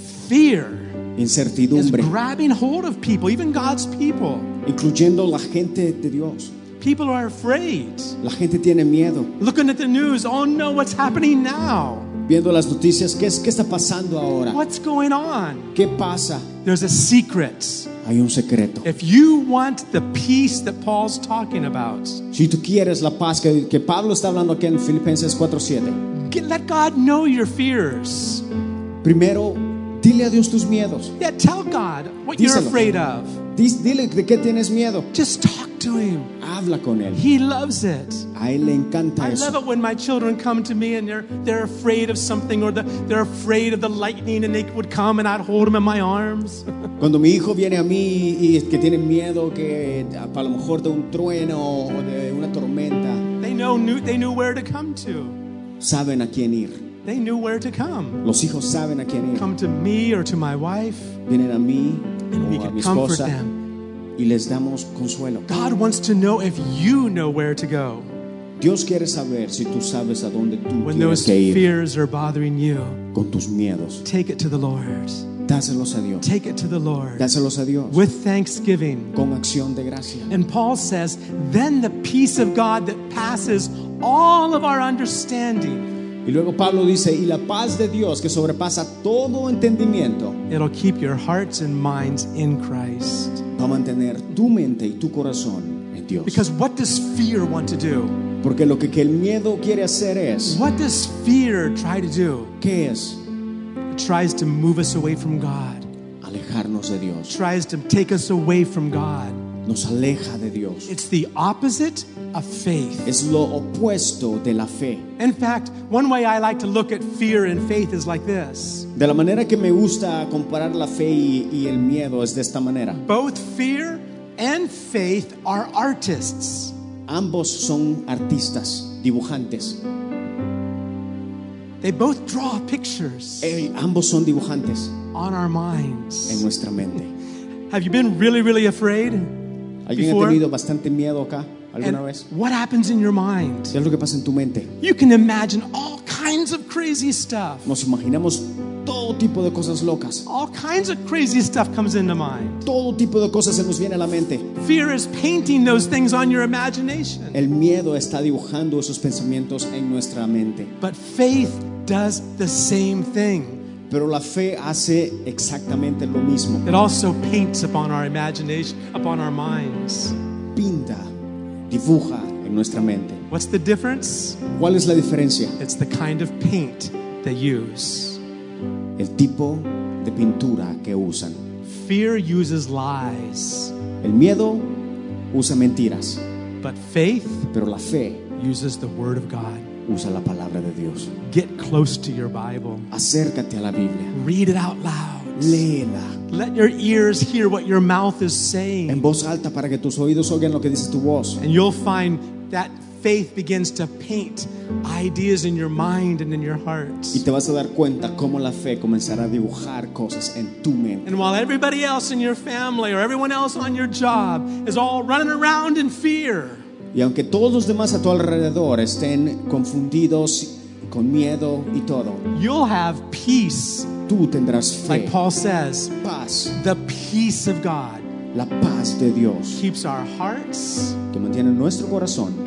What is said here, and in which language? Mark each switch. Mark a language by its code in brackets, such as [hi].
[en] Fear [es] incertidumbre [en] is grabbing hold of people, even God's people, [es] incluyendo la gente de Dios. [en] People are afraid. [es] La gente tiene miedo. [en] Looking at the news, oh no, what's happening now? [es] Viendo las noticias, ¿qué está pasando ahora? [en] What's going on? [es] ¿Qué pasa? [en] There's a secret. [es] Hay un secreto. [en] If you want the peace that Paul's talking about, [es] si tú quieres la paz que Pablo está hablando aquí en Filipenses 4:7, [en] let God know your fears. [es] Primero, dile a Dios tus miedos. [en] Yeah, tell God what [es] Díselo. [en] You're afraid of. [es] Dile de qué tienes miedo. [en] Just talk to him. [es] Habla con él. [en] He loves it. [es] A él le encanta [en] I [es] eso. [en] I love it when my children come to me and they're afraid of something, or they're afraid of the lightning, and they would come and I'd hold them in my arms. [es] Cuando mi hijo viene a mí y que tiene miedo que a lo mejor de un trueno o de una tormenta. [en] They knew where to come to. [es] Saben a quién ir. [en] They knew where to come. [es] Los hijos saben a quién ir. [en] Come to me or to my wife. [es] Vienen a mí [en] and we can comfort them. [es] Y les damos consuelo. [en] God wants to know if you know where to go. [es] Dios quiere saber si tú sabes a dónde tú [en] when [es] quieres que ir. [en] When those fears are bothering you, [es] con tus miedos, [en] take it to the Lord. [es] Dáselos a Dios. [en] Take it to the Lord. [es] Dáselos a Dios. [en] With thanksgiving. [es] Con acción de gracia. [en] And Paul says, then the peace of God that passes all of our understanding. [es] Y luego Pablo dice, y la paz de Dios que sobrepasa todo entendimiento, [en] it'll keep your hearts and minds in Christ. [es] Va a mantener tu mente y tu corazón en Dios. [en] Because what does fear want to do? [es] Porque lo que el miedo quiere hacer es, [en] what does fear try to do? [es] ¿Qué es? [en] It tries to move us away from God. [es] Alejarnos de Dios. [en] It tries to take us away from God. [es] Nos aleja de Dios. [en] It's the opposite of faith. [es] Es lo opuesto de la fe. [en] In fact, one way I like to look at fear and faith is like this. [es] De la manera que me gusta comparar la fe y el miedo es de esta manera. [en] Both fear and faith are artists. [es] Ambos son artistas, dibujantes. [en] They both draw pictures. [es] Ambos son dibujantes. [en] On our minds. [es] En nuestra mente. [en] Have you been really, really afraid? [es] ¿Alguien [en] before? [es] Ha tenido bastante miedo acá alguna [en] and [es] vez? [en] What happens in your mind? [es] ¿Qué es lo que pasa en tu mente? [en] You can imagine all kinds of crazy stuff. [es] Nos imaginamos todo tipo de cosas locas. [en] All kinds of crazy stuff comes into mind. [es] Todo tipo de cosas se nos viene a la mente. [en] Fear is painting those things on your imagination. [es] El miedo está dibujando esos pensamientos en nuestra mente. [en] But faith does the same thing. [es] Pero la fe hace exactamente lo mismo. [en] It also paints upon our imagination, upon our minds. [es] Pinta, dibuja en nuestra mente. [en] What's the difference? [es] ¿Cuál es la diferencia? [en] It's the kind of paint they use. [es] El tipo de pintura que usan. [en] Fear uses lies. [es] El miedo usa mentiras. [en] But faith, [es] pero la fe, [en] uses the word of God. [es] Usa la palabra de Dios. [en] Get close to your Bible. [es] Acércate a la Biblia. [en] Read it out loud. [es] Léela. [en] Let your ears hear what your mouth is saying. [es] En voz alta para que tus oídos oigan lo que dice tu voz. [en] And you'll find that faith begins to paint ideas in your mind and in your heart. [es] Y te vas a dar cuenta cómo la fe comenzará a dibujar cosas en tu mente. [en] And while everybody else in your family or everyone else on your job is all running around in fear, [es] y aunque todos los demás a tu alrededor estén confundidos con miedo y todo, [en] you'll have peace. [es] Tú tendrás fe. [en] Like Paul says, [es] paz. [en] The peace of God. [es] La paz de Dios [en] keeps our hearts, [es] que mantiene nuestro corazón,